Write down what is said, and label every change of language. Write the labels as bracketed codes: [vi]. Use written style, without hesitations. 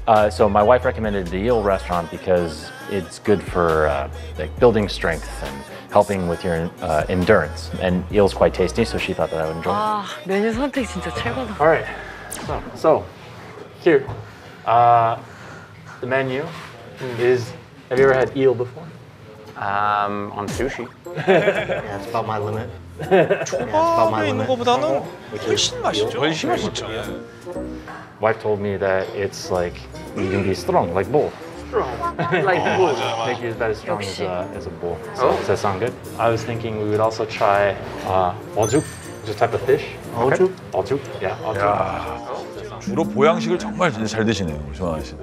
[en] So my wife recommended the Yale restaurant because it's good for like building strength and helping with your endurance. And Yale's quite tasty, so she thought that I would enjoy it. [ko] 메뉴 선택 진짜 최고다. [en] All right, so here, the menu is, have you ever had eel before? On sushi. Yeah, it's about my limit. [ko] 초밥에 있는 것보다는 훨씬 맛있죠. 훨씬 맛있죠. [en] Wife told me that it's like you can be strong, like bull. Strong, like bull. Make you about as strong as a bull. So, oh. Does that sound good? I was thinking we would also try ojuk, which is a type of fish. Ojuk? Ojuk, yeah. Ojuk. Yeah. [ko] Oh, 주로 보양식을 정말 잘 드시네요, 조한아 씨.